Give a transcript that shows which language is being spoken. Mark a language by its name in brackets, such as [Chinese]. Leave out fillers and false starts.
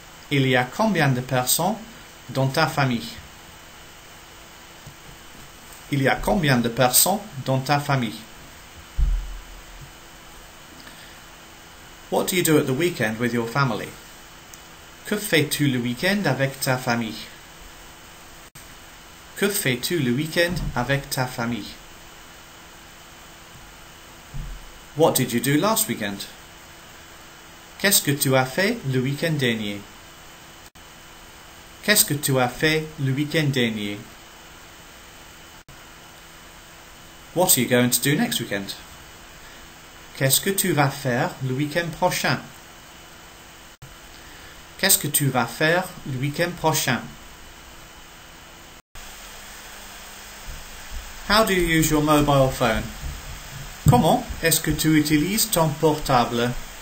[French] Il y a combien de personnes dans ta famille? Il y a combien de personnes dans ta famille? [English] What do you do at the weekend with your family? [French] Que fais-tu le week-end avec ta famille? Que fais-tu le week-end avec ta famille? [English] What did you do last weekend? [French] Qu'est-ce que tu as fait le week-end dernier? Qu'est-ce que tu as fait le week-end dernier? [English] What are you going to do next weekend? [French] Qu'est-ce que tu vas faire le week-end prochain? Qu'est-ce que tu vas faire le week-end prochain? [English] How do you use your mobile phone? [French] Comment est-ce que tu utilises ton portable?